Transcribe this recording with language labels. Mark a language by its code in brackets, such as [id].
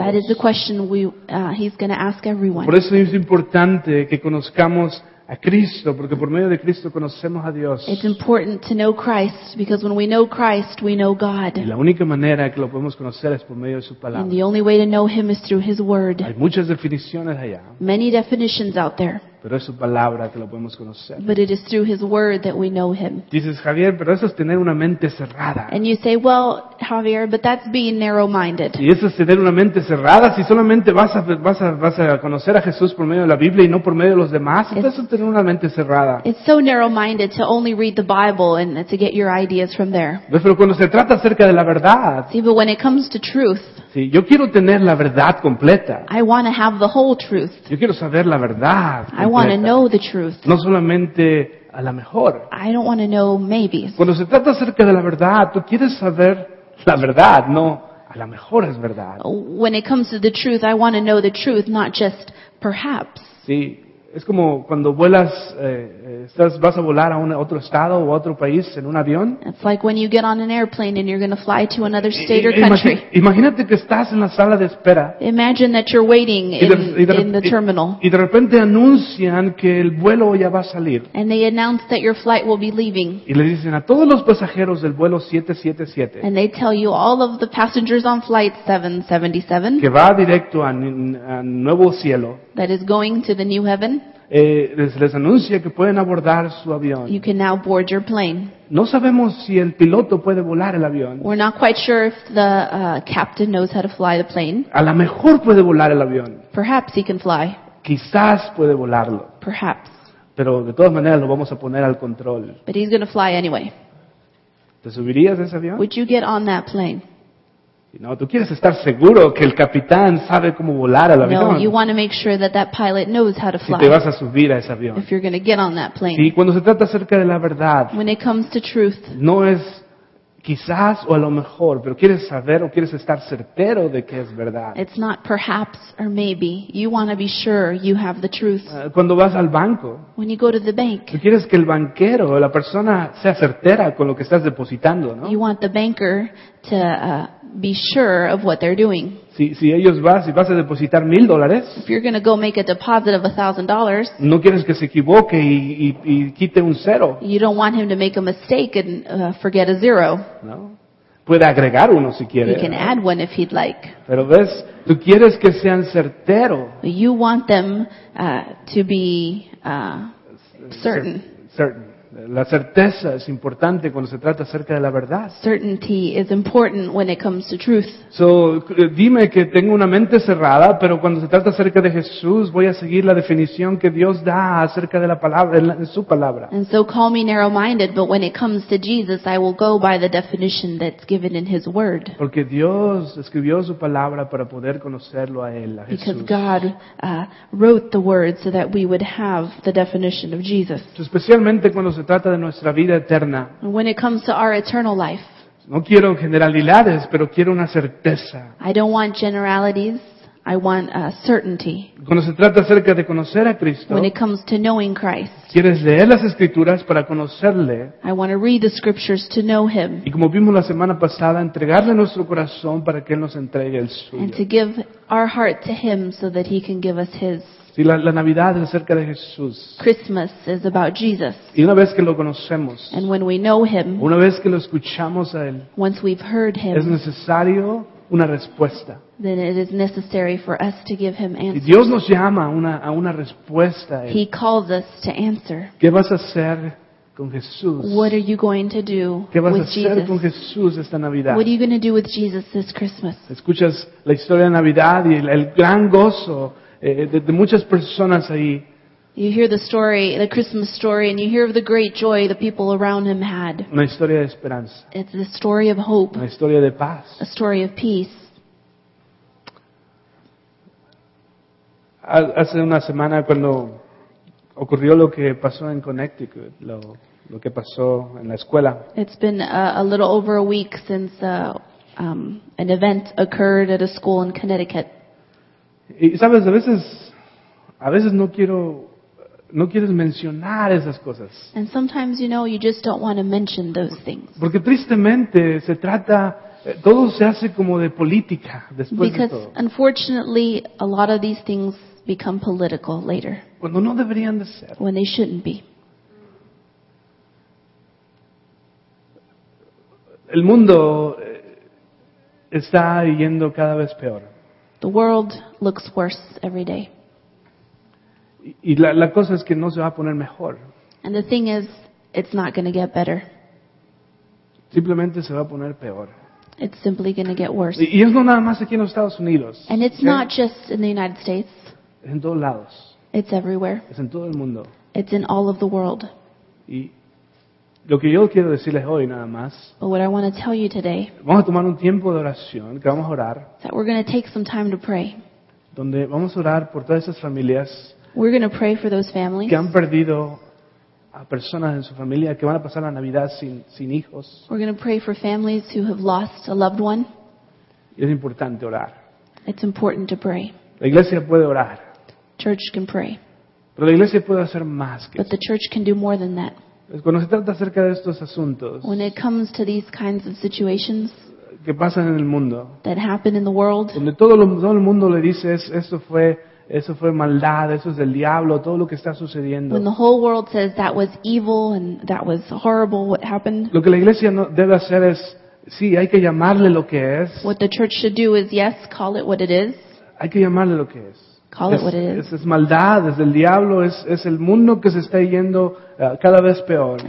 [en] That is the question he's going to ask everyone. [es] Por eso es importante que conozcamos a Cristo, porque por medio de Cristo conocemos a Dios. [en] It's important to know Christ, because when we know Christ, we know God. [es] Y la única manera que lo podemos conocer es por medio de su palabra. [en] And the only way to know him is through his word. [es] Hay muchas definiciones allá. [en] Many definitions out there. [es] Pero es su palabra que lo podemos conocer. [en] But it is through his word that we know him. [es] Dices, Javier, pero eso es tener una mente cerrada. [en] And you say, well, Javier, but that's being narrow-minded. [es] Y eso es tener una mente cerrada. Si solamente vas a conocer a Jesús por medio de la Biblia y no por medio de los demás, entonces eso es tener una mente cerrada. [en] It's so narrow-minded to only read the Bible and to get your ideas from there. [es] Pero cuando se trata acerca de la verdad. [en] See, but when it comes to truth. [es] Sí, yo quiero tener la verdad completa. [en] I want to have the whole truth. [es] Yo quiero saber la verdad completa. [en] I want to know the truth. [es] No solamente a lo mejor. [en] I don't want to know maybes. [es] Cuando se trata acerca de la verdad, tú quieres saber la verdad, no a lo mejor es verdad. [en] When it comes to the truth, I want to know the truth, not just perhaps. [es] Sí. Es como cuando vuelas, vas a volar a otro estado o a otro país en un avión. [en] It's like when you get on an airplane and you're going to fly to another state or country. [es] Imagínate que estás en la sala de espera. [en] Imagine that you're waiting in the terminal. [es] Y de repente anuncian que el vuelo ya va a salir. [en] And they announce that your flight will be leaving. [es] Y le dicen a todos los pasajeros del vuelo 777. [en] And they tell you all of the passengers on flight 777. [es] Que va directo a nuevo cielo. [en] That is going to the new heaven. [es] Les anuncia que pueden abordar su avión. [en] You can now board your plane. [es] No sabemos si el piloto puede volar el avión. [en] We're not quite sure if the captain knows how to fly the plane. [es] A lo mejor puede volar el avión. [en] Perhaps he can fly. [es] Quizás puede volarlo. [en] Perhaps. [es] Pero de todas maneras lo vamos a poner al control. [en] But he's going to fly anyway. [es] ¿Te subirías a ese avión? [en] Would you get on that plane? [es] No, tú quieres estar seguro que el capitán sabe cómo volar al avión. [en] No, you want to make sure that pilot knows how to fly. [es] Si te vas a subir a ese avión. [en] If you're going to get on that plane. [es] Sí, cuando se trata acerca de la verdad. [en] When it comes to truth. [es] No es quizás o a lo mejor, pero quieres saber o quieres estar certero de que es verdad. [en] It's not perhaps or maybe. You want to be sure you have the truth. [es] Cuando vas al banco. [en] When you go to the bank. [es] Tú quieres que el banquero o la persona sea certera con lo que estás depositando, ¿no? [en] You want the banker to be sure of what they're doing. [es] Si ellos vas y vas a depositar $1,000. [en] If you're going to go make a deposit of $1,000. [es] No quieres que se equivoque y quite un cero. [en] You don't want him to make a mistake and forget a zero. [es] No. Puede agregar uno si quiere. [en] He can add one if he'd like. [es] Pero ves, tú quieres que sean certero. [en] You want them to be certain. Certain. [es] La certeza es importante cuando se trata acerca de la verdad. [en] Certainty is important when it comes to truth. [es] So, dime que tengo una mente cerrada, pero cuando se trata acerca de Jesús, voy a seguir la definición que Dios da acerca de la palabra, en su palabra. [en] And so call me narrow-minded, but when it comes to Jesus, I will go by the definition that's given in his word. [es] Porque Dios escribió su palabra para poder conocerlo a él, a Jesús. [en] Because God wrote the word so that we would have the definition of Jesus. [es] Especialmente cuando se trata de nuestra vida eterna. [en] When it comes to our eternal life. [es] No quiero generalidades, pero quiero una certeza. [en] I don't want generalities, I want a certainty. [es] Cuando se trata acerca de conocer a Cristo. [en] When it comes to knowing Christ. [es] ¿Quieres leer las escrituras para conocerle? [en] I want to read the scriptures to know him. [es] Y como vimos la semana pasada, entregarle nuestro corazón para que él nos entregue el suyo. [en] And to give our heart to him so that he can give us his. [es] Y la Navidad es acerca de Jesús. [en] Christmas is about Jesus. [es] Y una vez que lo conocemos. [en] And when we know him. [es] Una vez que lo escuchamos a él. [en] Once we've heard him. [es] Es necesario una respuesta. [en] Then it is necessary for us to give him answers. [es] Y Dios nos llama a una respuesta a él. [en] He calls us to answer. [es] ¿Qué vas a hacer con Jesús? [en] What are you going to do [es] ¿Qué vas [en] with [es] a hacer [en] Jesus? [es] Con Jesús esta Navidad? [en] What are you going to do with Jesus this Christmas? [es] Escuchas la historia de Navidad y el gran gozo de muchas personas ahí. [en] You hear the story, the Christmas story, and you hear of the great joy the people around him had. [es] Una historia de esperanza. [en] It's a story of hope. [es] Una historia de paz. [en] A story of peace. [es] Hace una semana cuando ocurrió lo que pasó en Connecticut, lo que pasó en la escuela. [en] It's been a little over a week since an event occurred at a school in Connecticut. [es] Y sabes, a veces no quieres mencionar esas cosas. [en] And sometimes, you know, you just don't want to mention those things. [es] Porque tristemente se trata, todo se hace como de política después de todo. [en] Because unfortunately, a lot of these things become political later. [es] Cuando no deberían de ser. [en] When they shouldn't be. [es] El mundo está yendo cada vez peor. [en] The world looks worse every day. [es] Y la cosa es que no se va a poner mejor. [en] And the thing is, it's not going to get better. [es] Simplemente se va a poner peor. [en] It's simply going to get worse. [es] Y es no nada más aquí en los Estados Unidos. [en] And it's not just in the United States. [es] Es en todos lados. [en] It's everywhere. [es] Es en todo el mundo. [en] It's in all of the world. [es] Y lo que yo quiero decirles hoy nada más. [en] But what I want to tell you today. [es] Vamos a tomar un tiempo de oración, que vamos a orar. [en] That we're going to take some time to pray. [es] Donde vamos a orar por todas esas familias. [en] We're going to pray for those families [es] que han perdido a personas en su familia que van a pasar la Navidad sin hijos. [en] We're going to pray for families who have lost a loved one. [es] Y es importante orar. [en] It's important to pray. [es] La iglesia puede orar. [en] Church can pray. [es] Pero la iglesia puede hacer más que eso. [en] But the church can do more than that. [es] Cuando se trata acerca de estos asuntos, [en] when it comes to these kinds of situations [es] que pasan en el mundo, [en] that happen in the world, [es] donde todo el mundo le dice eso fue maldad, eso es del diablo, todo lo que está sucediendo. [en] When the whole world says that was evil and that was horrible, what happened? [es] Lo que la iglesia no debe hacer es, sí, hay que llamarle lo que es. [en] What the church should do is, yes, call it what it is. [es] Hay que llamarle lo que es. [en] Call it what it is. [es] Es maldad, es del diablo, es el mundo que se está yendo cada vez peor.